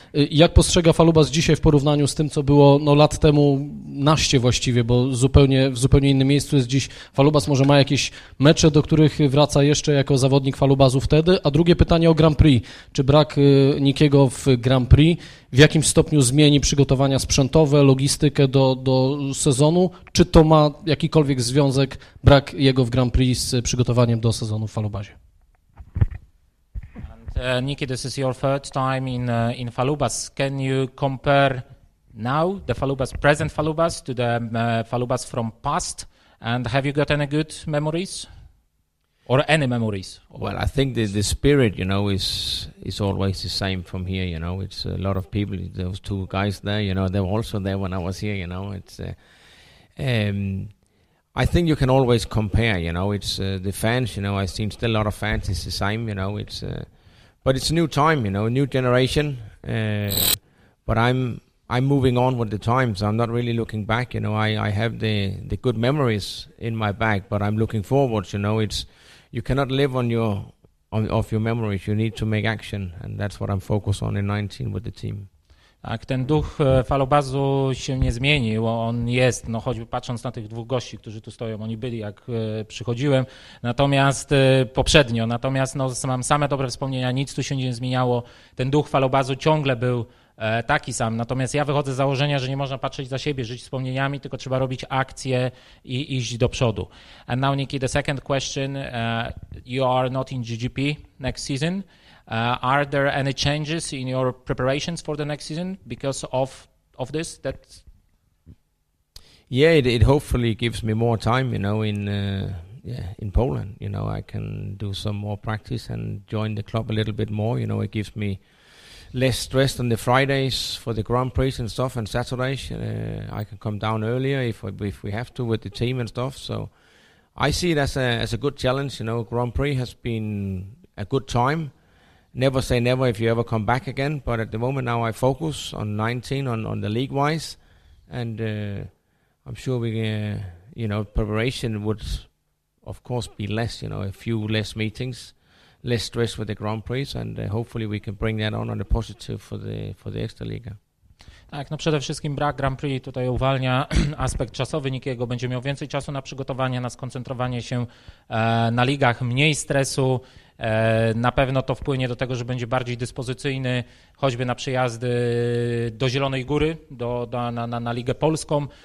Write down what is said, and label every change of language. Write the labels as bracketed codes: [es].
[pl] Jak postrzega Falubas dzisiaj w porównaniu z tym, co było no, lat temu, naście właściwie, bo zupełnie, w zupełnie innym miejscu jest dziś Falubas, może ma jakieś mecze, do których wraca jeszcze jako zawodnik Falubasu wtedy? A drugie pytanie o Grand Prix. Czy brak Nikiego w Grand Prix w jakimś stopniu zmieni przygotowania sprzętowe, logistykę do sezonu? Czy to ma jakikolwiek związek, brak jego w Grand Prix z przygotowaniem do sezonu w Falubasie? [en] Nicky, this is your third time in Falubas. Can you compare now the Falubas, present Falubas, to the Falubas from past? And have you got any good memories or any memories? Well, I think the spirit, you know, is always the same from here, you know. It's a lot of people, those two guys there, you know, they were also there when I was here, you know. It's I think you can always compare, you know. It's the fans, you know, I've seen still a lot of fans, it's the same, you know. It's... But it's a new time, you know, a new generation. But I'm moving on with the times. So I'm not really looking back, you know. I have the good memories in my back, but I'm looking forward, you know. It's you cannot live off your memories. You need to make action, and that's what I'm focused on in 19 with the team. [pl] Tak, ten duch Falubasu się nie zmienił, on jest, no choćby patrząc na tych dwóch gości, którzy tu stoją, oni byli jak przychodziłem, natomiast no, mam same dobre wspomnienia, nic tu się nie zmieniało, ten duch Falubasu ciągle był taki sam, natomiast ja wychodzę z założenia, że nie można patrzeć za siebie, żyć wspomnieniami, tylko trzeba robić akcje i iść do przodu. [en] And now, Nicky, the second question, you are not in GGP next season. Are there any changes in your preparations for the next season because of this? That's yeah, it hopefully gives me more time, you know, in Poland. You know, I can do some more practice and join the club a little bit more. You know, it gives me less stress on the Fridays for the Grand Prix and stuff and Saturdays. I can come down earlier if we have to with the team and stuff. So I see it as a good challenge. You know, Grand Prix has been a good time. never say never if you ever come back again, but at the moment now I focus on 19 on the league wise, and I'm sure we you know, preparation would of course be less, you know, a few less meetings, less stress with the Grand Prix, and hopefully we can bring that on a positive for the Ekstraliga. [pl] Tak, no przede wszystkim brak Grand Prix tutaj uwalnia aspekt czasowy Nikiego. Będzie miał więcej czasu na przygotowanie, na skoncentrowanie się na ligach, mniej stresu. Na pewno to wpłynie do tego, że będzie bardziej dyspozycyjny choćby na przejazdy do Zielonej Góry, na Ligę Polską.